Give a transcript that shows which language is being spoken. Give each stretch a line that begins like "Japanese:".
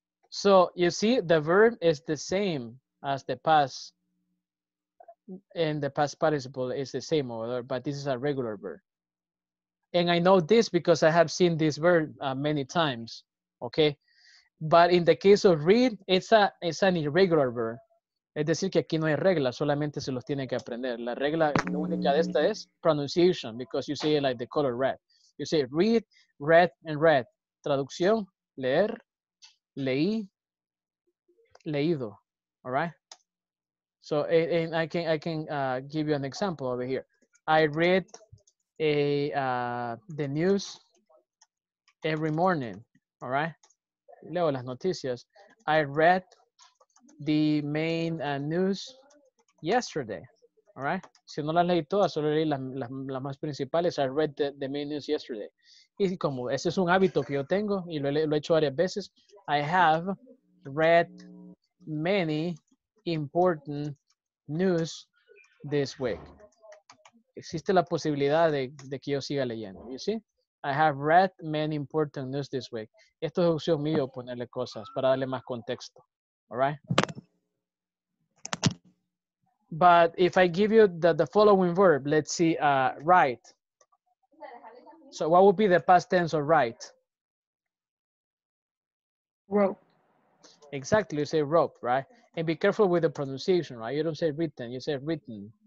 English: So you see, the verb is the same as the past. And the past participle is the same over there, but this is a regular verb. And I know this because I have seen this verb many times. Okay. But in the case of read, it's an irregular verb.
Spanish: Es decir, que aquí no hay regla, solamente se los tiene que aprender. La regla única de esta es
English: pronunciation, because you say it like the color red. You say read, red, and red.
Spanish: Traducción, leer, leí, leído.
English: All right? So and I can give you an example over here. I read the news every morning. All right?
Spanish: Leo las noticias.
English: I read the main news yesterday. All right?
Spanish: Si no las leí todas, solo leí las más principales.
English: I read the main news yesterday.
Spanish: Y como ese es un hábito que yo tengo y lo he hecho varias veces,
English: I have read many important news this week.
Spanish: Existe la posibilidad de que yo siga leyendo.
English: You see? I have read many important news this week.
Spanish: Esto es opción mío, ponerle cosas para darle más contexto.
English: All right? But if I give you the following verb, let's see, write. So what would be the past tense of write? Wrote. Exactly, you say wrote, right? And be careful with the pronunciation, right? You don't say written, you say written.